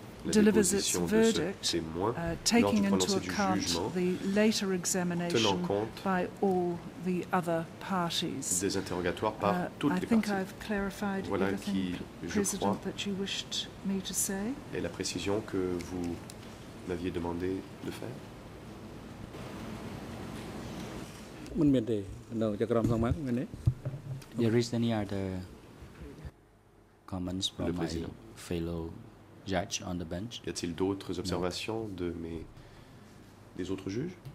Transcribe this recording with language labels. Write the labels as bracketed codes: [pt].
[en] delivers its verdict, taking into account the later examination by all the other parties. I think I've clarified everything, President, that you wished me to say. [fr] Et la précision que vous m'aviez demandé de faire. [en] There is any other comments from my fellow judge on the bench? [fr] Y a-t-il d'autres observations de mes des autres juges?